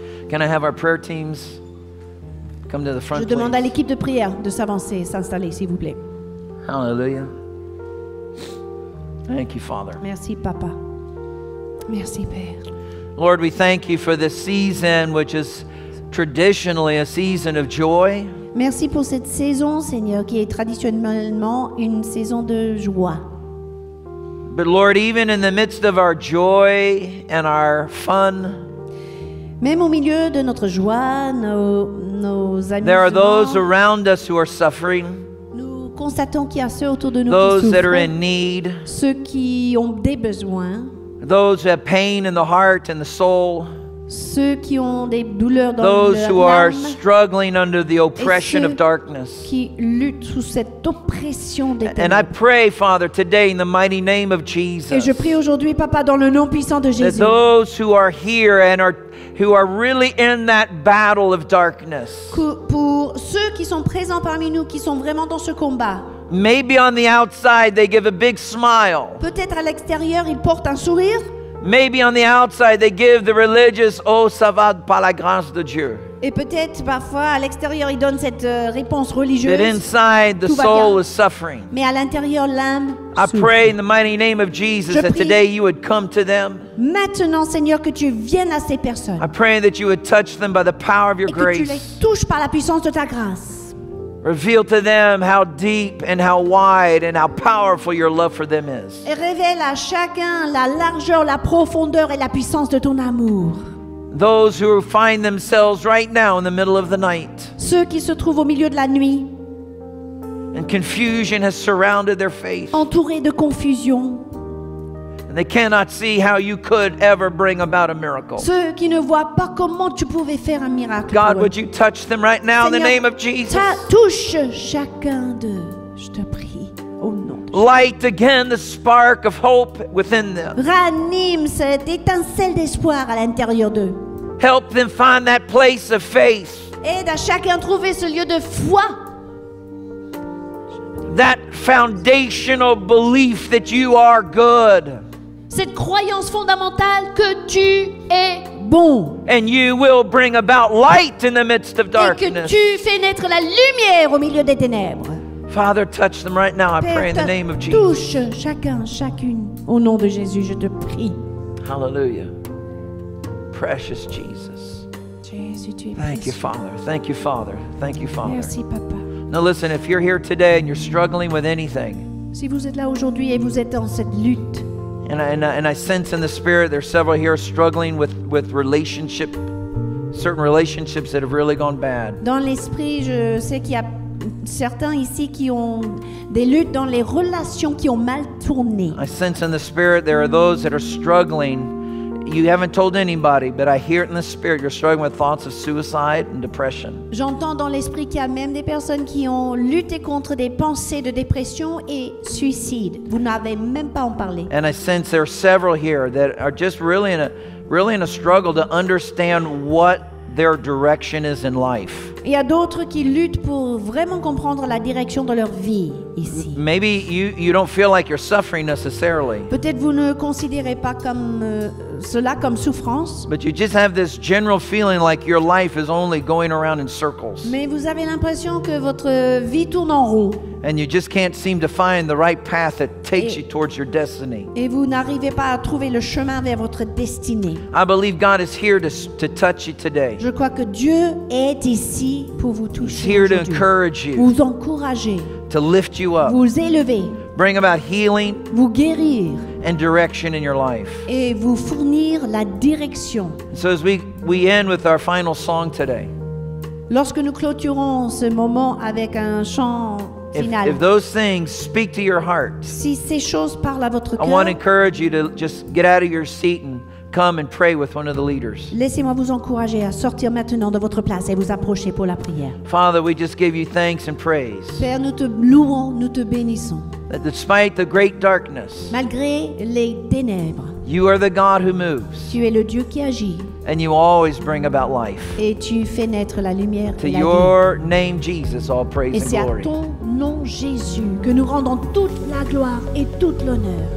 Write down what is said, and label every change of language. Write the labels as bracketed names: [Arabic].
[English] Can I have our prayer teams come to the front, please? [French] Je demande à l'équipe de prière de s'avancer, s'installer, s'il vous plaît. [English] Hallelujah. Thank you, Father. [French] Merci, Papa. Merci, Père. [English] Lord, we thank you for this season, which is traditionally a season of joy. [French] Merci pour cette saison, Seigneur, qui est traditionnellement une saison de joie. [English] But Lord, even in the midst of our joy and our fun, [French] même au milieu de notre joie, nos amusements, [English] there are those around us who are suffering. [French] Constatons qu'il y a ceux autour de nous [English] those [French] qui souffrent, [English] need, [French] ceux qui ont des besoins, [English] those who have pain in the heart and the soul, [French] ceux qui ont des douleurs dans [English] those [French] leur [English] who [French] âme, [English] are struggling under the oppression [French] et ceux [English] of darkness. [French] Qui luttent sous cette oppression des ténèbres. [English] And I pray, Father, today in the mighty name of Jesus. [French] Et je prie aujourd'hui, Papa, dans le nom puissant de Jésus. [English] That those who are here and are who are really in that battle of darkness. [French] Pour ceux qui sont présents parmi nous, qui sont vraiment dans ce combat. [English] Maybe on the outside they give a big smile. [French] Peut-être à l'extérieur ils portent un sourire. [English] Maybe on the outside they give the religious [French] oh ça va par la grâce de Dieu. Et peut-être parfois à l'extérieur ils donnent cette réponse religieuse. [English] But inside the soul is suffering. [French] Mais à l'intérieur l'âme souffre. [English] I pray in the mighty name of Jesus that today you would come to them. [French] Maintenant, Seigneur, que tu viennes à ces personnes. [English] I pray that you would touch them by the power of your grace. [French] Et que tu les touches par la puissance de ta grâce. [English] Reveal to them how deep and how wide and how powerful your love for them is. [French] Et révèle à chacun la largeur, la profondeur et la puissance de ton amour. [English] Those who find themselves right now in the middle of the night. [French] Ceux qui se trouvent au milieu de la nuit. [English] And confusion has surrounded their faith. [French] Entourés de confusion. [English] And they cannot see how you could ever bring about a miracle. [French] Ceux qui ne voient pas comment tu pouvais faire un miracle. [English] God, would you touch them right now in the name of Jesus? [French] Touche chacun d'eux, je te prie, au nom de Jésus. [English] Light again the spark of hope within them. [French] Ranime cette étincelle d'espoir à l'intérieur d'eux. [English] Help them find that place of faith. [French] Aide à chacun trouver ce lieu de foi. [English] That foundational belief that you are good. [French] Cette croyance fondamentale que tu es bon. [English] And you will bring about light in the midst of darkness. [French] Et que tu fais naître la lumière au milieu des ténèbres. [English] Father, touch them right now. I pray in the name of Jesus. [French] Touche chacun, chacune au nom de Jésus, je te prie. [English] Hallelujah. Precious Jesus. [French] Jésus, tu es [English] thank [French] précieux. [English] You, Father. Thank you, Father. Thank you, Father. [French] Merci, Papa. [English] Now listen, if you're here today and you're struggling with anything, [French] si vous êtes là aujourd'hui et vous êtes dans cette lutte, [English] And I sense in the spirit there's several here struggling with relationship, certain relationships that have really gone bad. [French] Dans l'esprit, je sais qu'il y a certains ici qui ont des luttes dans les relations qui ont mal tourné. [English] I sense in the spirit there are those that are struggling. You haven't told anybody, but I hear it in the spirit. You're struggling with thoughts of suicide and depression. [French] J'entends dans l'esprit qu'il y a même des personnes qui ont lutté contre des pensées de dépression et suicide. Vous n'avez même pas en parlé. [English] And I sense there are several here that are just really in a struggle to understand what their direction is in life. [French] Il y a d'autres qui luttent pour vraiment comprendre la direction de leur vie ici. [English] Maybe you don't feel like you're suffering necessarily. [French] Peut-être vous ne considérez pas cela comme souffrance. [English] But you just have this general feeling like your life is only going around in circles. [French] Mais vous avez l'impression que votre vie tourne en rond. [English] And you just can't seem to find the right path that takes you towards your destiny. [French] Et vous n'arrivez pas à trouver le chemin vers votre destinée. [English] I believe God is here to touch you today. [French] Je crois que Dieu est ici pour vous toucher. [English] He's here to encourage you. [French] Vous encourager. [English] To lift you up. [French] Vous élever. [English] Bring about healing. [French] Vous guérir. [English] And direction in your life. [French] Et vous fournir la direction. [English] So as we end with our final song today. [French] Lorsque nous clôturons ce moment avec un chant. [English] If those things speak to your heart, [French] si ces choses parlent à votre cœur, [English] I want to encourage you to just get out of your seat and come and pray with one of the leaders. [French] Laissez-moi vous encourager à sortir maintenant de votre place et vous approcher pour la prière. [English] Father, we just give you thanks and praise. [French] Père, nous te louons, nous te bénissons. [English] That despite the great darkness, [French] malgré les ténèbres, [English] you are the God who moves. [French] Tu es le Dieu qui agit. [English] And you always bring about life. [French] Et tu fais naître la lumière. [English] To your name, Jesus, all praise and glory. [French] Et c'est à ton nom, Jésus, que nous rendons toute la gloire et toute l'honneur.